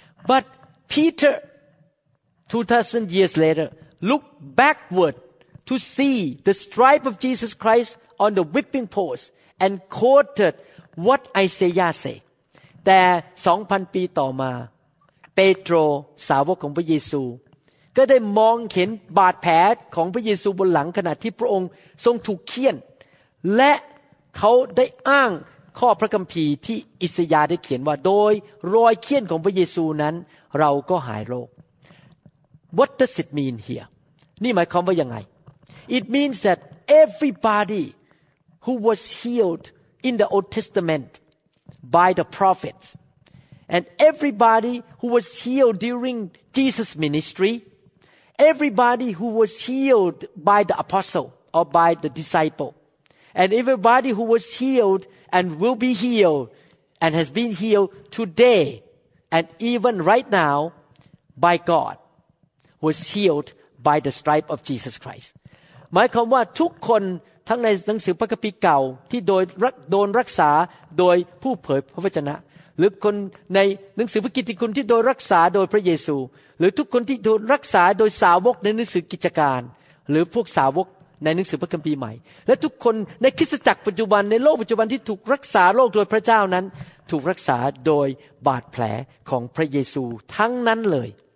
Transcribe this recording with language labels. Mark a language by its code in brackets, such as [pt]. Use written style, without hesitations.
[en] But Peter 2000 years later looked backward to see the stripe of Jesus Christ on the whipping post and quoted what Isaiah said [th] แต่ 2,000 ปีต่อมาเปโตรสาวกของพระเยซูก็ได้มองเห็นบาดแผลของพระเยซูบนหลังขณะที่พระองค์ทรงถูกเคี่ยน และเขาได้อ้างข้อพระคัมภีร์ที่อิสยาห์ได้เขียนว่าโดยรอยเคี่ยนของพระเยซูนั้นเราก็หายโรค [en] What does it mean here? [th] นี่หมายความว่ายังไง [en] It means that everybody who was healed in the Old Testament by the prophetsAnd everybody who was healed during Jesus' ministry, everybody who was healed by the apostle or by the disciple, and everybody who was healed and will be healed and has been healed today and even right now by God was healed by the stripe of Jesus Christ. [th] หมายความว่าทุกคนทั้งในหนังสือพระคัมภีร์เก่าที่โดนรักษาโดยผู้เผยพระวจนะหรือคนในหนังสือพระกิตติคุณที่โดยรักษาโดยพระเยซูหรือทุกคนที่โดนรักษาโดยสาวกในหนังสือกิจการหรือพวกสาวกในหนังสือพระคัมภีร์ใหม่และทุกคนในคริสตจักรปัจจุบันในโลกปัจจุบันที่ถูกรักษาโรคโดยพระเจ้านั้นถูกรักษาโดยบาดแผลของพระเยซูทั้งนั้นเลย